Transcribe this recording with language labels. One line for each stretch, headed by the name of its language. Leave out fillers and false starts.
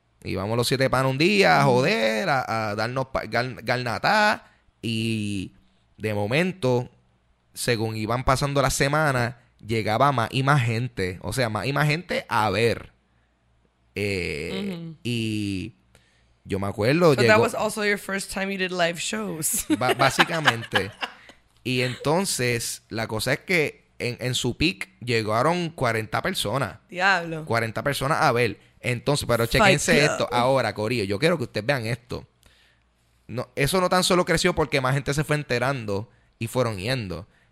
Spanish: Íbamos los siete panas un día a joder, a darnos garnatá. Y de momento, según iban pasando las semanas, llegaba más y más gente. O sea, más y más gente a ver. Y yo me acuerdo.
English: But that was also your first time you did live shows.
Spanish: Básicamente. Y entonces, la cosa es que. En su peak llegaron 40 personas. Diablo. 40 personas a ver. Entonces, pero chequense esto. Ahora, corillo, yo quiero que ustedes vean esto. No, eso no tan solo creció porque más gente se fue enterando y fueron yendo.